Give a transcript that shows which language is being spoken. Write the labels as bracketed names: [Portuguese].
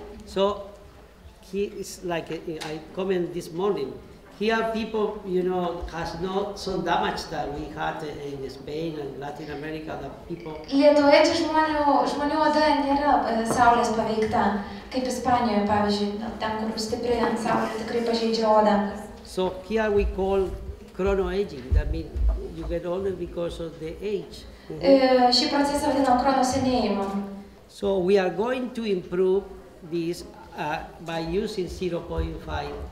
[English] So, he is like, I comment this morning. Here people, you know, has not so damage that we had in Spain and Latin America, that people... [Lithuanian] Lietuvoje čia žmonių oda nėra saulės paveikta, kaip Ispanijoje, pavyzdžiui, ten, kur stipri ant saulės, tikrai pažeidžia odą. [English] So here we call chronoaging, that means you get older because of the age. [Lithuanian] Šį procesą vadino chronosenėjimo. [English] So we are going to improve this by using 0.5.